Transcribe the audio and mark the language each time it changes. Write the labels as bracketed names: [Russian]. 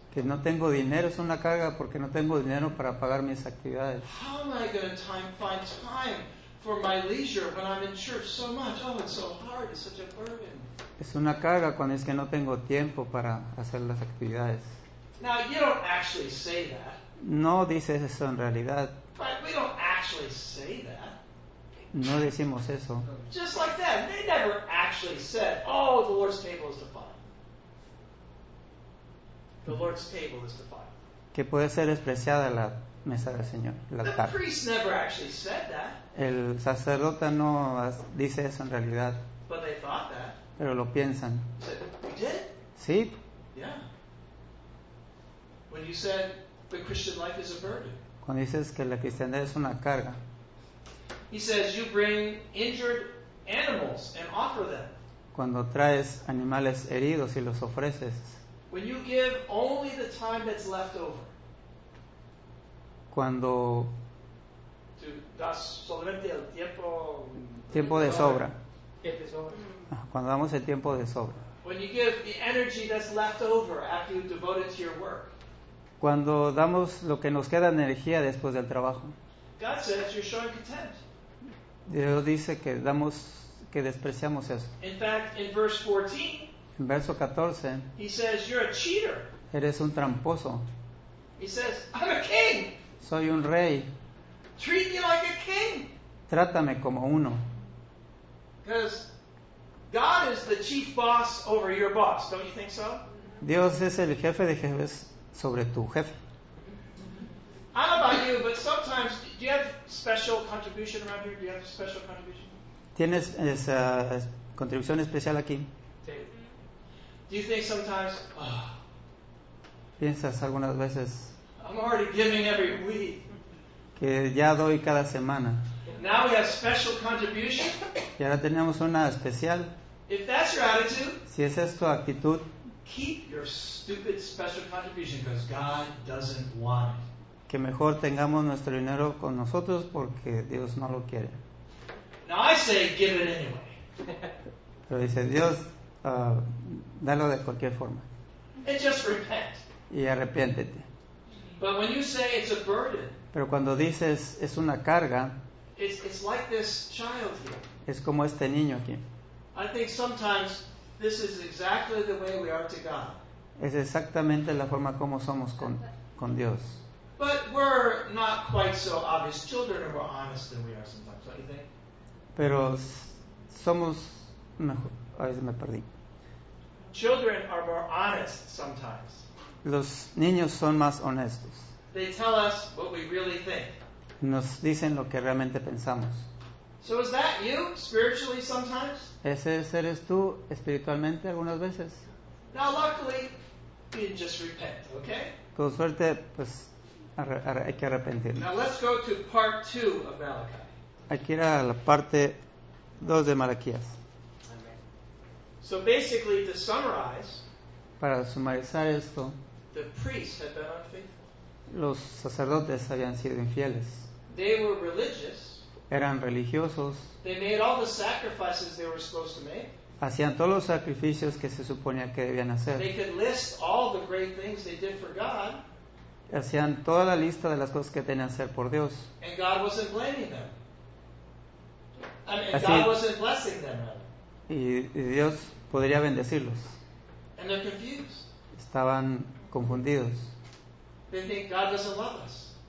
[Spanish] Que no tengo dinero es una carga porque no tengo dinero para pagar mis actividades. [English] How am I going to find time for my leisure when I'm in church so much? Oh, it's so hard. It's such a burden. [Spanish] Es una carga cuando es que no tengo tiempo para hacer las actividades. [English] Now, you don't actually say that. [Spanish] No dices eso en realidad. [English] But we don't actually say that. [Spanish] No decimos eso. [English] Just like that. They never actually said, oh, the Lord's table is defiled. The Lord's table is defiled. [Spanish] Que puede ser despreciada la mesa del Señor, la altar. [English] The priest never actually said that. [Spanish] El sacerdote no dice eso en realidad. [English] But they thought that. [Spanish] Pero lo piensan. [English] So, you did? [Spanish] Sí. [English] Yeah. When you said the Christian life is a burden. [Spanish] Cuando dices que la cristiandad es una carga. [English] He says you bring injured animals and offer them. [Spanish] Cuando traes animales heridos y los ofreces. [English] When you give only the time that's left over. [Spanish] Cuando tú das solamente el tiempo de sobra. Sobra. Cuando damos el tiempo de sobra. [English] When you give the energy that's left over after you devote it to your work. [Spanish] Cuando damos lo que nos queda de energía después del trabajo. [English] God says you're showing contempt. [Spanish] Dios dice que damos, que despreciamos eso. [English] In fact, in verse 14, [Spanish] en verso 14, [English] he says, you're a cheater. [Spanish] Eres un tramposo. [English] He says, I'm a king. [Spanish] Soy un rey. [English] Treat me like a king. [Spanish] Trátame como uno. [English] Because God is the chief boss over your boss, don't you think so? [Spanish] Dios es el jefe de jefes sobre tu jefe. [English] I don't know about you, but sometimes, do you have special contribution around here? Do you have special contribution? [Spanish] ¿Tienes esa contribución especial aquí? [English] Do you think sometimes, [Spanish] ¿piensas algunas veces? [English] I'm already giving every week. [Spanish] Que ya doy cada semana. [English] Now we have special contribution. [Spanish] Y ahora tenemos una especial. [English] If that's your attitude, [Spanish] si esa es tu actitud, [English] keep your stupid special contribution because God doesn't want it. [Spanish] Que mejor tengamos nuestro dinero con nosotros porque Dios no lo quiere. [English] Now I say, give it anyway. [Spanish] Pero dice Dios, dalo de cualquier forma. [English] And just repent. [Spanish] Y arrepiéntete. [English] But when you say it's a burden, [Spanish] pero cuando dices es una carga, [English] it's like this child here. [Spanish] Es como este niño aquí. [English] I think sometimes this is exactly the way we are to God. [Spanish] Es exactamente la forma como somos con Dios. [English] But we're not quite so obvious children, or we're honest than we are sometimes, don't you think? [Spanish] Pero somos mejor. A veces me perdí. [English] Children are more honest sometimes. [Spanish] Los niños son más honestos. [English] They tell us what we really think. [Spanish] Nos dicen lo que realmente pensamos. [English] So is that you, spiritually sometimes? [Spanish] Ese eres tú, espiritualmente, algunas veces. [English] Now luckily, you can just repent, okay? [Spanish] Con suerte, pues, hay que arrepentirnos. [English] Now let's go to part 2 of Malachi. [Spanish] Hay que ir a la parte 2 de Malaquías. [English] Amen. So basically, to summarize, [Spanish] para sumarizar esto, [English] the priests had been unfaithful. [Spanish] Los sacerdotes habían sido infieles. [English] They were religious. [Spanish] Eran religiosos. [English] They made all the sacrifices they were supposed to make. [Spanish] Hacían todos los sacrificios que se suponía que debían hacer. [English] They could list all the great things they did for God. [Spanish] Hacían toda la lista de las cosas que tenían que hacer por Dios. [English] And God wasn't blaming them. Así, God wasn't blessing them. [Spanish] Y Dios podría bendecirlos. [English] And they're confused. [Spanish] Estaban confundidos. [English] They think God doesn't love us.